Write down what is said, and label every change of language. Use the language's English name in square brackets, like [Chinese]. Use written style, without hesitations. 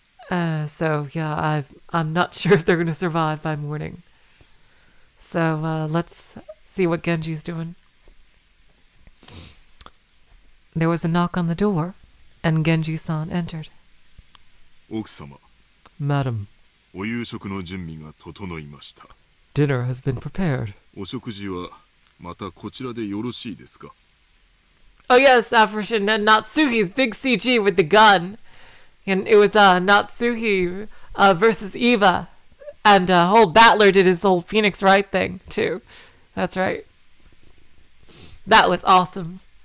[English] I'm not sure if they're going to survive by morning. So let's see what Genji's doing. There was a knock on the door, and Genji-san entered. [Japanese] Oksama. [English] Madam. [Japanese] お夕食の準備が整いました. [English] Dinner has been prepared. [Japanese] お食事はまたこちらでよろしいですか? [English] Oh yes, Afrishin and Natsuhi's big CG with the gun. And it was Natsuhi versus Eva. And whole Battler did his whole Phoenix Wright thing, too. That's right. That was awesome.